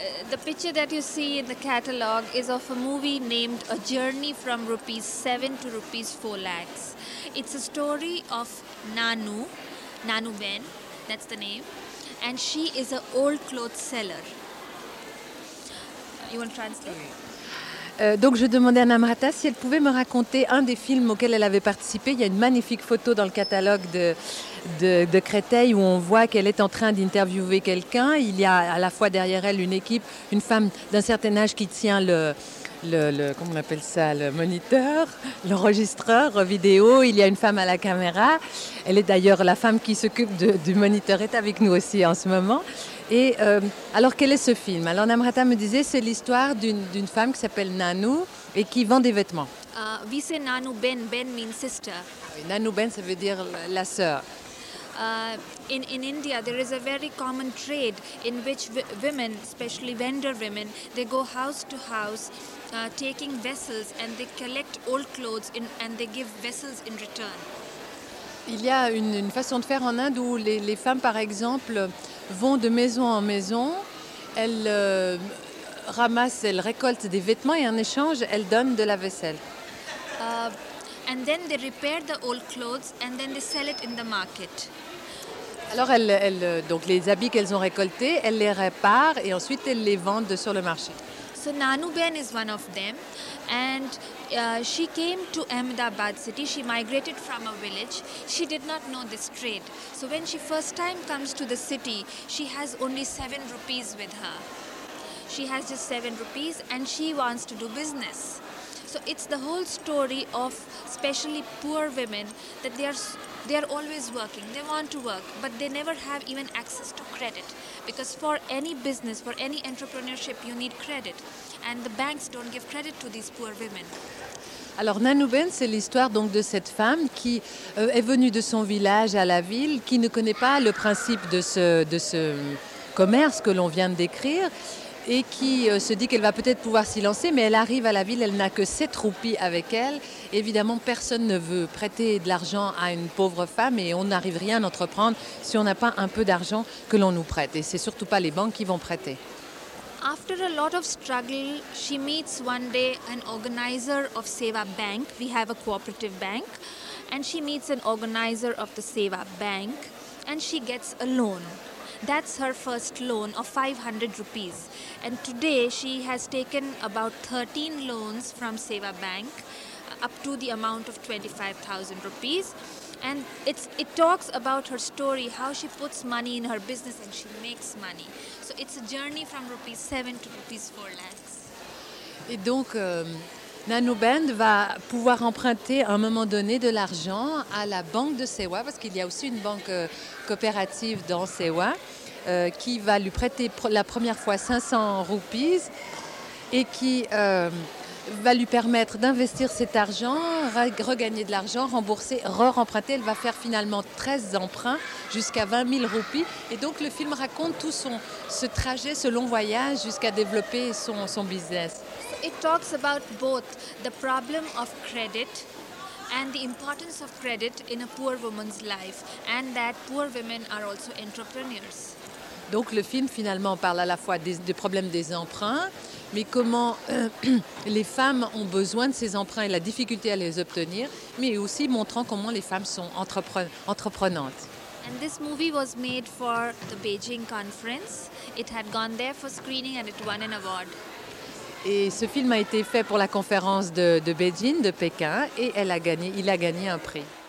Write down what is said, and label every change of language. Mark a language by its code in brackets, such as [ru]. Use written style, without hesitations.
[en] The picture that you see in the catalog is of a movie named A Journey from Rupees 7 to Rupees 4 Lakhs. It's a story of Nanu Ben, that's the name, and she is an old clothes seller. You want to translate? [fr] Donc je demandais à Namrata si elle pouvait me raconter un des films auxquels elle avait participé. Il y a une magnifique photo dans le catalogue de Créteil où on voit qu'elle est en train d'interviewer quelqu'un. Il y a à la fois derrière elle une équipe, une femme d'un certain âge qui tient le moniteur, l'enregistreur vidéo. Il y a une femme à la caméra. Elle est d'ailleurs la femme qui s'occupe du moniteur, est avec nous aussi en ce moment. Et alors, quel est ce film? Alors, Namrata me disait, c'est l'histoire d'une femme qui s'appelle Nanu et qui vend des vêtements. [en] We say Nanu Ben. Ben means sister. [fr] Oui, Nanu Ben, ça veut dire la sœur. [en] In India, there is a very common trade in which women, especially vendor women, they go house to house taking vessels and they collect old clothes and they give vessels in return. [fr] Il y a une façon de faire en Inde où les femmes, par exemple, vont de maison en maison, elles récoltent des vêtements et en échange, elles donnent de la vaisselle. [en] And then they repair the old clothes and then they sell it in the market. [fr] Alors donc les habits qu'elles ont récoltés, elles les réparent et ensuite elles les vendent sur le marché. [en] So Nanu Ben is one of them, and she came to Ahmedabad city. She migrated from a village. She did not know this trade. So when she first time comes to the city, she has only 7 rupees with her. She has just 7 rupees, and she wants to do business. So it's the whole story of especially poor women, that they are always working. They want to work, but they never have even access to credit. Because for any business, for any entrepreneurship, you need credit. And the banks don't give credit to these poor women. [fr] Alors Nanu Ben, c'est l'histoire donc de cette femme qui est venue de son village à la ville, qui ne connaît pas le principe de ce commerce que l'on vient de décrire. Et qui se dit qu'elle va peut-être pouvoir s'y lancer, mais elle arrive à la ville, elle n'a que 7 roupies avec elle. Évidemment, personne ne veut prêter de l'argent à une pauvre femme et on n'arrive rien à entreprendre si on n'a pas un peu d'argent que l'on nous prête. Et ce n'est surtout pas les banques qui vont prêter. [en] After a lot of struggle, she meets one day an organizer of Seva Bank. We have a cooperative bank. And she meets an organizer of the Seva Bank and she gets a loan. That's her first loan of 500 rupees. And today she has taken about 13 loans from Seva Bank up to the amount of 25,000 rupees. And it talks about her story, how she puts money in her business and she makes money. So it's a journey from rupees 7 to rupees 4 lakhs. [fr] Et donc, Nanu Ben va pouvoir emprunter à un moment donné de l'argent à la banque de Sewa, parce qu'il y a aussi une banque coopérative dans Sewa, qui va lui prêter la première fois 500 roupies et qui va lui permettre d'investir cet argent, regagner de l'argent, rembourser, re-emprunter. Elle va faire finalement 13 emprunts jusqu'à 20 000 roupies. Et donc le film raconte tout ce trajet, ce long voyage jusqu'à développer son business. [en] It talks about both the problem of credit and the importance of credit in a poor woman's life, and that poor women are also entrepreneurs. [fr] Donc le film finalement parle à la fois des problèmes des emprunts, mais comment les femmes ont besoin de ces emprunts et la difficulté à les obtenir, mais aussi montrant comment les femmes sont entreprenantes. [en] And this movie was made for the Beijing conference. It had gone there for screening and it won an award. [fr] Et ce film a été fait pour la conférence de Beijing, de Pékin, et il a gagné un prix.